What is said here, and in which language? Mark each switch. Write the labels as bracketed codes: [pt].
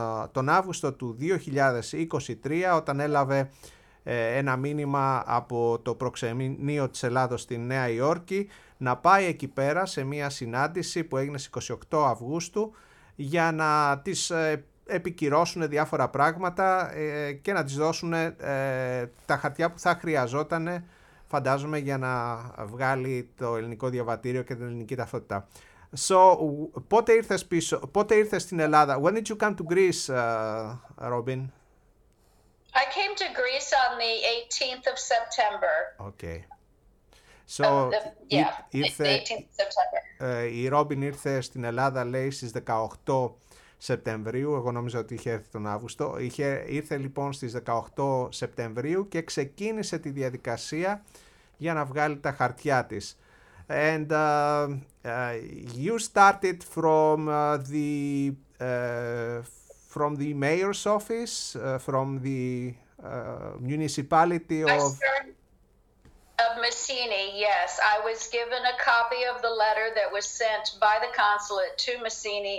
[el] τον Αύγουστο του 2023, όταν έλαβε ένα μήνυμα από το προξενείο της Ελλάδος στην Νέα Υόρκη, να πάει εκεί πέρα σε μια συνάντηση που έγινε στις 28 Αυγούστου για να της επικυρώσουν διάφορα πράγματα και να της δώσουν τα χαρτιά που θα χρειαζότανε, φαντάζομαι, για να βγάλει το ελληνικό διαβατήριο και την ελληνική ταυτότητα. So, πότε ήρθες πίσω, πότε ήρθες στην Ελλάδα? [en] When did you come to Greece, Robin? I came to Greece on the 18th of September. Okay. So, the 18th of [el] September. Η Robin ήρθε στην Ελλάδα, λέει, στις 18 Σεπτεμβρίου. Εγώ νόμιζα ότι είχε έρθει τον Αύγουστο. Ήρθε λοιπόν στις 18 Σεπτεμβρίου και ξεκίνησε τη διαδικασία για να βγάλει τα χαρτιά της. [en] And you started from the mayor's office, from the municipality of... Of Messini, yes. I was given a copy of the letter that was sent by the consulate to Messini.